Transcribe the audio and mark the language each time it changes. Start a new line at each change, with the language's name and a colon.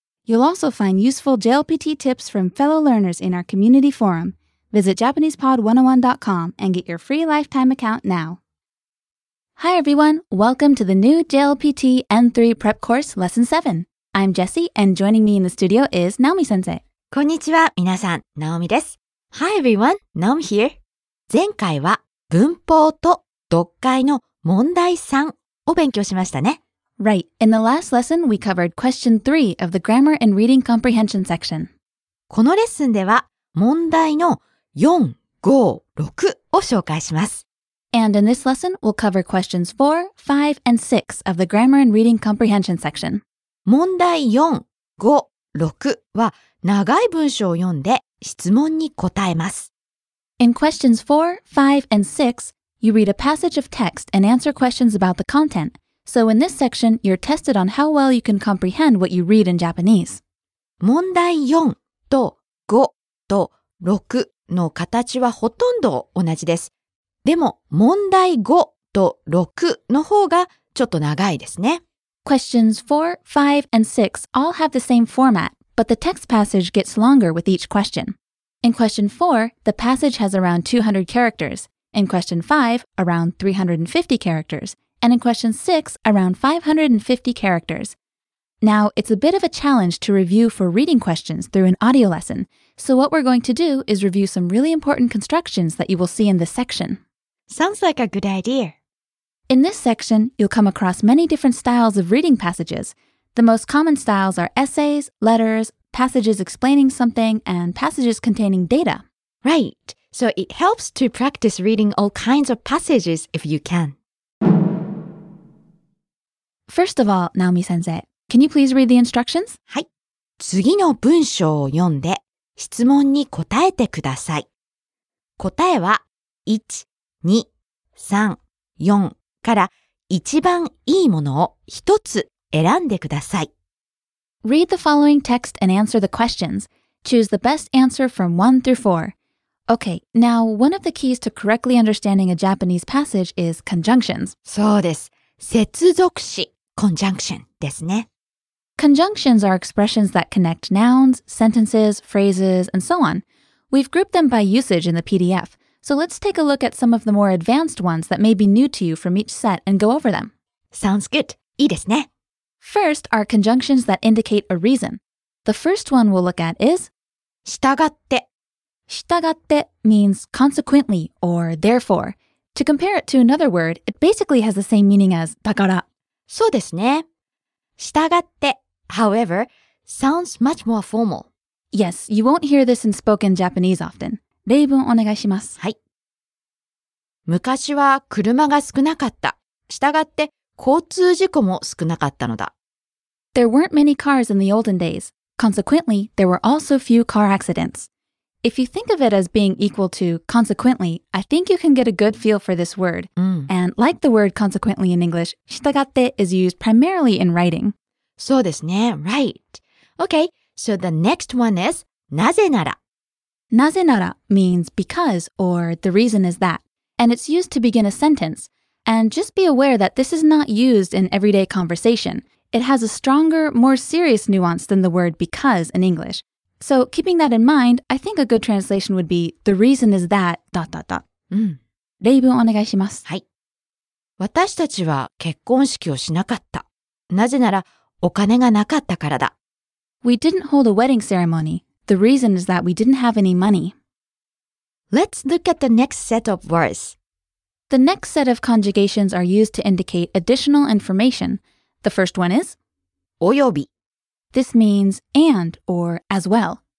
English: You'll also find useful JLPT tips from fellow learners in our community forum. Visit JapanesePod101.com and get your free lifetime account now. Hi everyone, welcome to the new JLPT N3 Prep Course Lesson 7. I'm Jessie, and joining me in the studio is Naomi-sensei.
Japanese: こんにちは、みなさん、Naomiです。
English: Hi everyone, Naomi here.
Japanese: 前回は文法と読解の問題3を勉強しましたね。
English: Right, in the last lesson, we covered question 3 of the grammar and reading comprehension section.
Japanese: このレッスンでは問題の4、5、6を紹介します。
English: And in this lesson, we'll cover questions 4, 5, and 6 of the grammar and reading comprehension section.
Japanese: 問題4、5、6は長い文章を読んで質問に答えます。
English: In questions 4, 5, and 6, you read a passage of text and answer questions about the content. So in this section, you're tested on how well you can comprehend what you read in Japanese.
Japanese: 問題4と5と6の形はほとんど同じです。でも問題5と6の方がちょっと長いですね。
English: Questions 4, 5, and 6 all have the same format, but the text passage gets longer with each question. In question 4, the passage has around 200 characters, in question 5, around 350 characters, and in question 6, around 550 characters. Now, it's a bit of a challenge to review for reading questions through an audio lesson, so what we're going to do is review some really important constructions that you will see in this section. Sounds like a good idea. In this section, you'll come across many different styles of reading passages. The most common styles are essays, letters, passages explaining something, and passages containing data. Right. So it helps to practice reading all kinds of passages if you can. First of all, Naomi-sensei, can you please read the instructions?
Japanese: はい。次の文章を読んで質問に答えてください。答えは1、2、3、4。から一番いいものを一つ選んでください。
English: Read the following text and answer the questions. Choose the best answer from 1 through 4. Okay, now one of the keys to correctly understanding a Japanese passage is conjunctions.
Japanese: そうです。接続詞、conjunction ですね。
English: Conjunctions are expressions that connect nouns, sentences, phrases, and so on. We've grouped them by usage in the PDF. So let's take a look at some of the more advanced ones that may be new to you from each set and go over them. Sounds good.
Japanese: いいですね。
English: First are conjunctions that indicate a reason. The first one we'll look at is
Japanese: 従って。
English: 従って means consequently or therefore. To compare it to another word, it basically has the same meaning as だから。
Japanese: そうですね。
English: 従って、however, sounds much more formal. Yes, you won't hear this in spoken Japanese often.
Japanese: 例文お願いします。はい。昔は車が少なかった。したがって交通事故も少なかったのだ。
English: There weren't many cars in the olden days. Consequently, there were also few car accidents. If you think of it as being equal to consequently, I think you can get a good feel for this word.、
Japanese: うん、
English: And like the word consequently in English, したがって is used primarily in writing.
Japanese: そうですね。
English: Right. Okay, so the next one is なぜなら。なぜなら means because or the reason is that, and it's used to begin a sentence. And just be aware that this is not used in everyday conversation. It has a stronger, more serious nuance than the word because in English. So keeping that in mind, I think a good translation would be the reason is that... dot dot dot.
Japanese: 例文お願いします。はい。私たちは結婚式をしなかった。なぜならお金がなかったからだ。
English: We didn't hold a wedding ceremony. The reason is that we didn't have any money. Let's look at the next set of words. The next set of conjugations are used to indicate additional information. The first one is
Japanese: および.
English: This means and or as well.